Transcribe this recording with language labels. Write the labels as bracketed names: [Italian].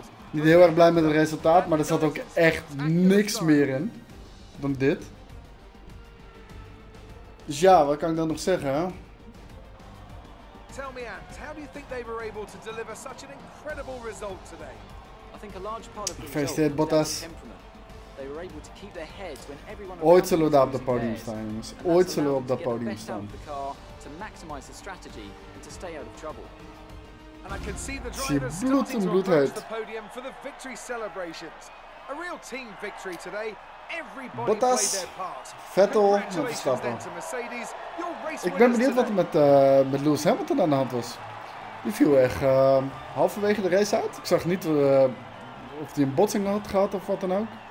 [Dutch] Niet heel erg blij met het resultaat, maar er zat ook echt niks meer in dan dit. Dus ja, wat kan ik dan nog zeggen, hè? [English] Tell me, Ant, how do you think they were able to deliver such an incredible result today? I think a large part of the result was their temperament. They were able to keep their heads when everyone. [Dutch] Ooit zullen we daar op dat podium staan, jongens. Ooit zullen we op dat podium staan. [English] To maximize the strategy and to stay out of trouble. And I can see the drivers starting to approach the podium for the victory celebrations. A real team victory today. [Dutch] Bottas, Vettel, met Verstappen. Ik ben benieuwd wat er met Lewis Hamilton aan de hand was. Die viel echt halverwege de race uit. Ik zag niet of hij een botsing had gehad of wat dan ook.